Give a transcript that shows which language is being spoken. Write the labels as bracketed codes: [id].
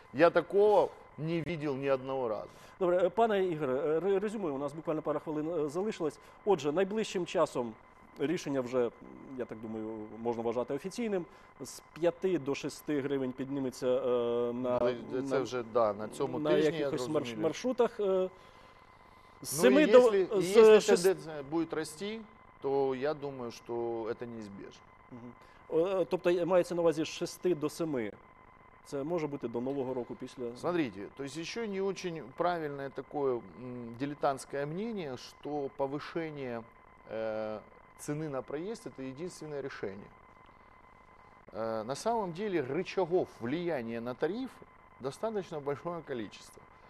[ru] Я такого не видел ни одного раза. [uk] Добре, пане Ігоре, резюмую, у нас буквально пара хвилин залишилось. Отже, найближчим часом рішення вже, я так думаю, можна вважати офіційним. З 5 до 6 гривень підніметься це вже, да, на цьому на тижні, якихось маршрутах. Якщо тенденція буде рости, то я думаю, що це неизбежно. Тобто мається на увазі з 6 до 7. Це може бути до Нового року після... [ru] Смотрите, то есть еще не очень правильное такое дилетантское мнение, что повышение цены на проезд – это единственное решение. На самом деле рычагов влияния на тариф достаточно большое количество.